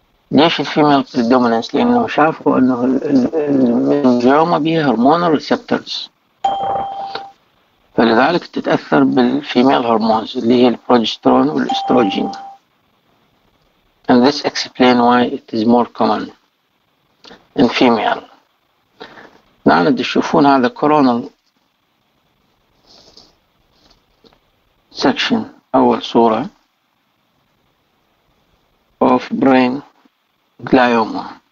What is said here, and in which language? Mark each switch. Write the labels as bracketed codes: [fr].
[ar] ليش female predominance؟ لأنه شافوا أنه المينينجوما بيها هرمونال ريسبتورز، فلذلك تتأثر بالفيميل هرمونز اللي هي البروجسترون والاستروجين. [en] And this explains why it is more common. In female. [ar] نعم دي تشوفون هذا كورونال سكشن، اول صورة [en] Of brain glioma.